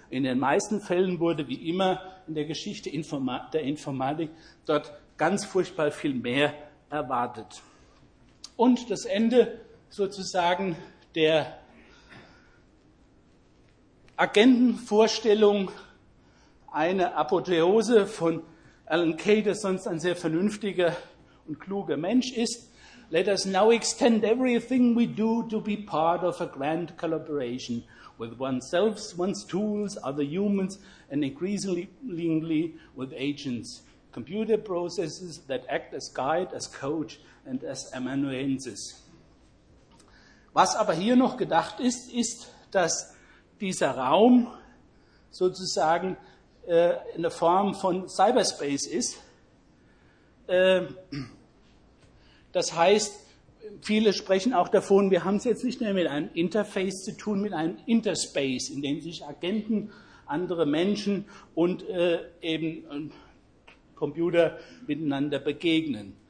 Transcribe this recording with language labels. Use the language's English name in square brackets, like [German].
[German] In den meisten Fällen wurde, wie immer in der Geschichte der Informatik, dort ganz furchtbar viel mehr erwartet. Und das Ende sozusagen der Agentenvorstellung, eine Apotheose von Alan Kay, der sonst ein sehr vernünftiger und kluger Mensch ist. [English] Let us now extend everything we do to be part of a grand collaboration with oneself, one's tools, other humans, and increasingly with agents. Computer processes that act as guide, as coach, and as amanuensis. [German] Was aber hier noch gedacht ist, ist, dass dieser Raum sozusagen in der Form von Cyberspace ist. Das heißt, viele sprechen auch davon, wir haben es jetzt nicht mehr mit einem Interface zu tun, mit einem Interspace, in dem sich Agenten, andere Menschen und eben Computer miteinander begegnen.